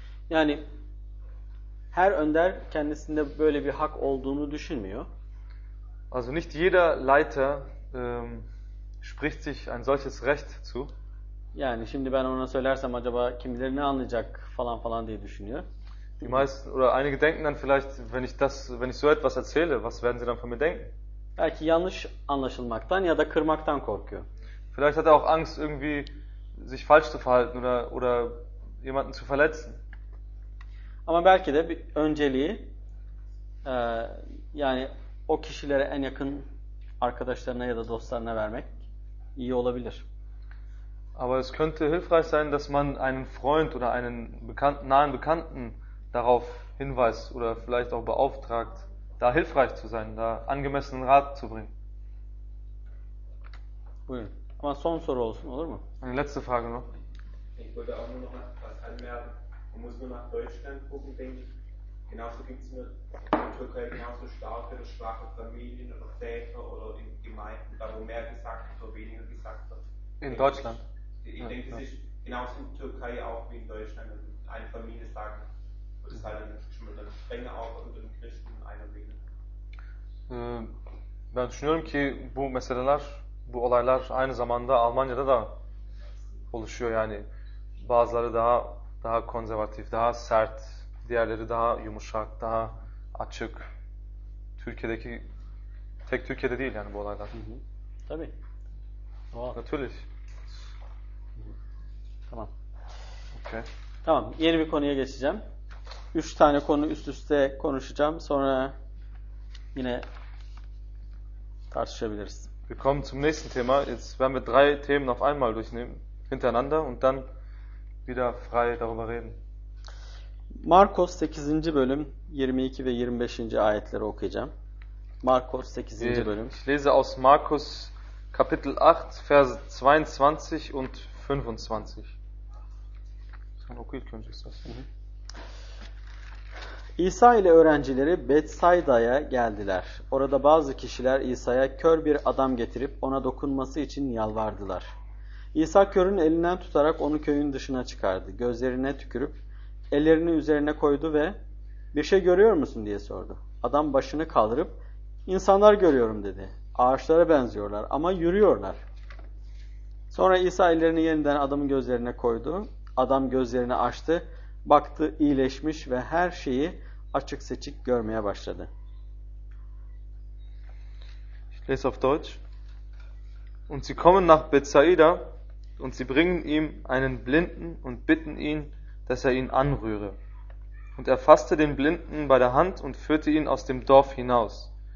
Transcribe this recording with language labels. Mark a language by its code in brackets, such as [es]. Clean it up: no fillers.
[tr] Yani her önder kendisinde böyle bir hak olduğunu düşünmüyor. [de] Also nicht jeder Leiter spricht sich ein solches Recht zu. [tr] Yani şimdi ben ona söylersem acaba kim bilir ne anlayacak falan falan diye düşünüyor. [de] Die meisten oder einige denken dann vielleicht, wenn ich so etwas erzähle, was werden sie dann von mir denken? [tr] Belki yanlış anlaşılmaktan ya da kırmaktan korkuyor. [de] Vielleicht hat er auch Angst irgendwie sich falsch zu verhalten oder jemanden zu verletzen. [tr] Ama belki de bir önceliği yani o kişilere en yakın arkadaşlarına ya da dostlarına vermek iyi olabilir. [de] Aber es könnte hilfreich sein, dass man einen Freund oder einen Bekannten, nahen Bekannten darauf hinweist oder vielleicht auch beauftragt, da hilfreich zu sein, da angemessenen Rat zu bringen. [tr] Buyurun. Ama son soru olsun, olur mu? [de] Eine letzte Frage noch. Ich wollte auch nur noch etwas anmerken. Man muss nur nach Deutschland gucken, denke ich. Genauso gibt es in der Türkei genauso starke oder schwache Familien oder Väter oder in Gemeinden, da wo mehr gesagt wird oder weniger gesagt wird. In Deutschland? Ich denke, es ist genauso in der Türkei auch wie in Deutschland. Eine Familie sagt, wird es halt dann strenger auch unter den Christen in einer Regel. [tr] Ben düşünüyorum ki bu meseleler, bu olaylar aynı zamanda Almanya'da da oluşuyor yani. Bazıları daha konservatif, daha sert, diğerleri daha yumuşak, daha açık. Türkiye'deki tek Türkiye'de değil yani bu olaylar. Hı hı. Tabii. Doğal. [de] Natürlich. [tr] Tamam. [de] Okay. [tr] Tamam, yeni bir konuya geçeceğim. 3 tane konu üst üste konuşacağım. Sonra yine tartışabiliriz. [de] Wir kommen zum nächsten Thema. Jetzt werden wir 3 Themen auf einmal durchnehmen hintereinander und dann wieder frei darüber reden. [tr] Markus 8. bölüm 22 ve 25. ayetleri okuyacağım. Markus 8. bölüm. [de] Ich lese aus Markus Kapitel 8 Vers 22 und 25. [tr] Sen okuyup göreceksin. İsa ile öğrencileri Betsaida'ya geldiler. Orada bazı kişiler İsa'ya kör bir adam getirip ona dokunması için yalvardılar. İsa körün elinden tutarak onu köyün dışına çıkardı. Gözlerine tükürüp ellerini üzerine koydu ve bir şey görüyor musun diye sordu. Adam başını kaldırıp insanlar görüyorum dedi. Ağaçlara benziyorlar ama yürüyorlar. Sonra İsa ellerini yeniden adamın gözlerine koydu. Adam gözlerini açtı, baktı iyileşmiş ve her şeyi açık seçik görmeye başladı. [de] Ich lese auf Deutsch. Und sie kommen nach Bethsaida und sie bringen ihm einen Blinden und bitten ihn, dass ihn anrühre. Und fasste den Blinden bei der Hand und führte ihn aus dem Dorf hinaus.